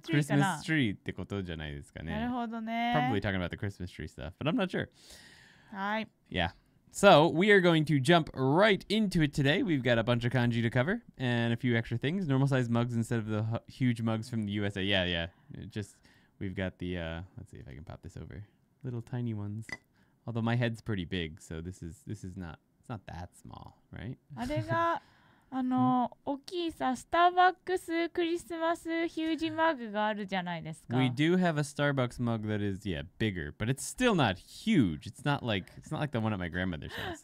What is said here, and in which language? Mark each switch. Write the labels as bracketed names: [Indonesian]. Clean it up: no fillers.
[Japanese] ツリーってことじゃないですかねなるほどね [English] probably talking about the Christmas tree stuff but I'm not sure [Japanese] はい [English] yeahSo, we are going to jump right into it today. We've got a bunch of kanji to cover and a few extra things. Normal size mugs instead of the huge mugs from the USA. Yeah, yeah. Just, we've got the, let's see if I can pop this over. Little tiny ones. Although my head's pretty big, so this is not, it's not that small, right? [Japanese] あれが、あの、大きいさ、スターバックスクリスマスヒュージマグがあるじゃないですか。 [English] We do have a Starbucks mug that is, yeah, bigger, but it's still not huge. It's not like the one at my grandmother's house.